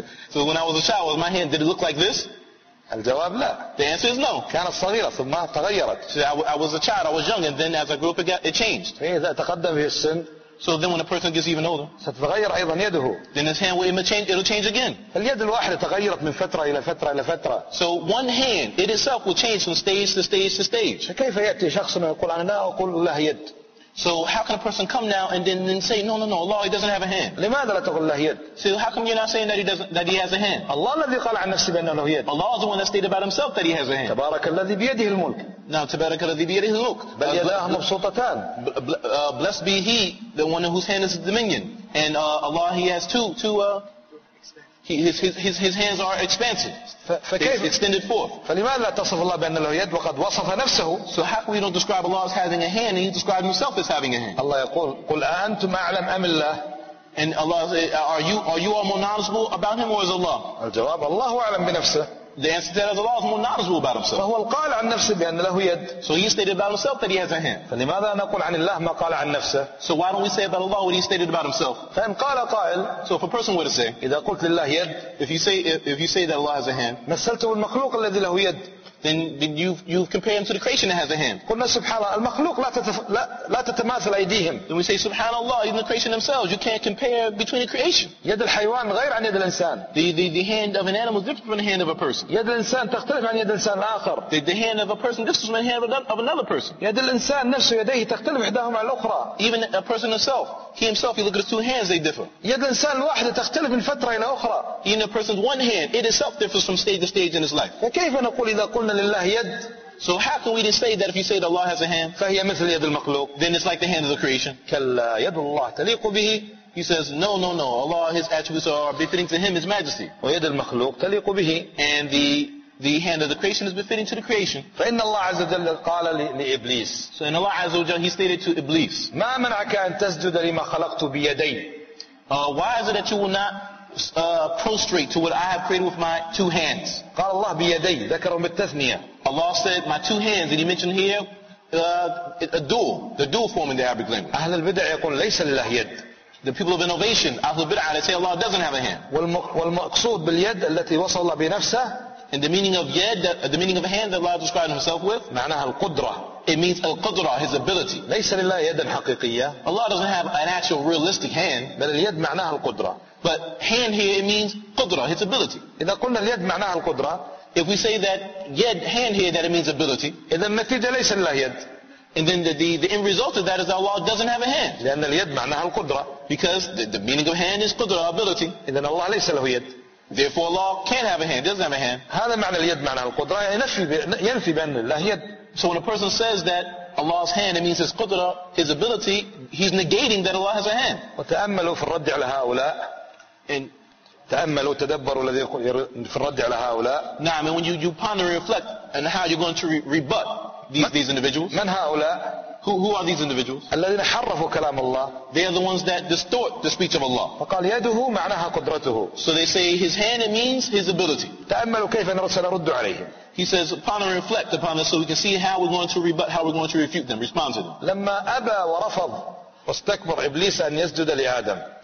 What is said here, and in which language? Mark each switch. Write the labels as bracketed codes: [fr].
[en] So when I was a child, was my hand, did it look like this? [ar] الجواب لا. [en] The answer is no. [ar] كانت صغيرة ثم تغيرت. [en] So I was a child, I was young, and then as I grew up, it changed. [ar] إذا تقدم في السن. [en] So then when a person gets even older, [ar] ستتغير أيضا يده. [en] Then his hand will change again. [ar] اليد الواحدة تغيرت من فترة إلى فترة إلى فترة. [en] So one hand, it itself will change from stage to stage to stage. [ar] كيف يأتي شخص ويقول أنا لا أقول له يد؟ [en] So how can a person come now and then say no, Allah, he doesn't have a hand. [ar] لماذا لا تقول له يد? [en] So how come you're not saying that he has a hand? [ar] الله الذي قال عن نفسه بأنه له يد. [en] Allah is the one that stated about himself that he has a hand. [ar] تبارك الذي بيده الملك. Now تبارك الذي بيده الملك. بل يداه مبسوطتان. [en] Blessed be he, the one whose hand is the dominion, and Allah he has two. His hands are expansive. [ar] فكيف [en] extended forth. [ar] فلماذا لا تصف الله بأن له يد وقد وصف نفسه؟ [en] So how we don't describe Allah as having a hand and he described himself as having a hand. [ar] الله يقول قل أنتم أعلم أم الله. [en] And Allah are you all more knowledgeable about him or is Allah? [ar] الجواب الله أعلم بنفسه. [en] The answer to that is Allah is more knowledgeable about himself. [ar] فهو القائل عن نفسه بأن له يد. [en] So he stated about himself that he has a hand. [ar] فلماذا نقول عن الله ما قال عن نفسه؟ [en] So why don't we say about Allah what he stated about himself? [ar] فإن قال قائل. [en] So if a person were to say. [ar] إذا قلت لله يد. [en] If you say that Allah has a hand. [ar] مثلت بالمخلوق الذي له يد. [en] Then you've compared him to the creation that has a hand. [ar] قلنا سبحان الله المخلوق لا تتماثل أيديهم. [en] Then we say سبحان الله even the creation themselves you can't compare between the creation. [ar] يد الحيوان غير عن يد الإنسان. [en] The hand of an animal is different from the hand of a person. [ar] يد الإنسان تختلف عن يد الإنسان الآخر. [en] The hand of a person differs from the hand of another person. [ar] يد الإنسان نفسه يديه تختلف إحداهما عن الأخرى. [en] Even a person himself. He himself, you look at his two hands, they differ. [ar] يد الإنسان الواحدة تختلف من فترة إلى أخرى. [en] In a person's one hand, it itself differs from stage to stage in his life. [ar] فكيف نقول إذا قلنا لله يد؟ [en] So how can we say that if you say that Allah has a hand, [ar] فهي مثل يد المخلوق, [en] then it's like the hand of the creation. [ar] كلا يد الله تليق به. [en] He says, no. Allah, his attributes are befitting to him, his majesty. [ar] ويد المخلوق تليق به. [en] And the hand of the creation is befitting to the creation. [ar] فإن الله عز وجل قال لإبليس. [en] So in Allah عز وجل, he stated to Iblis. [ar] ما منعك أن تسجد لما خلقت بيدي. [en] Why is it that you will not prostrate to what I have created with my two hands? [ar] قال الله بيدي ذكر بالتثنية. [en] Allah said my two hands, and he mentioned here the dual form in the Arabic language. [ar] أهل البدع يقول ليس لله يد. [en] The people of innovation, أهل البدع, they say Allah doesn't have a hand. [ar] والمقصود باليد التي وصل الله بنفسه. [en] And the meaning of a hand that Allah described himself with, [ar] معناها القدرة. [en] It means القدرة, his ability. [ar] ليس لله يد حقيقية. [en] Allah doesn't have an actual realistic hand. [ar] بل اليد معناها القدرة. [en] But hand here it means قدرة, his ability. [ar] إذا قلنا اليد معناها القدرة. [en] If we say that يد hand here that it means ability. [ar] إذا النتيجة ليس لله يد. [en] And then the end result of that is that Allah doesn't have a hand. [ar] لأن اليد معناها القدرة. [en] Because the meaning of hand is قدرة, ability. [ar] إذا الله ليس له يد. [en] Therefore, Allah can't have a hand. Doesn't have a hand. [ar] هذا معنى اليد معنى القدرة ينفي بأن الله يد. [en] So when a person says that Allah's hand, it means his قدرة, his ability, he's negating that Allah has a hand. [ar] وتأملوا في الرد على هؤلاء. [en] And [ar] تأملوا تدبروا الذي في الرد على هؤلاء. نعم. [en] And when you ponder and reflect, and how you're going to rebut these individuals. [ar] من هؤلاء؟ [en] Who are these individuals? [ar] الذين حرفوا كلام الله. [en] They are the ones that distort the speech of Allah. [ar] فقال يده معناها قدرته. [en] So they say his hand means his ability. [ar] تأملوا كيف سنرد عليهم. [en] He says, upon and reflect upon this, so we can see how we're going to rebut, how we're going to refute them, respond to them. [ar] لما أبى ورفض واستكبر إبليس أن يسجد لآدم.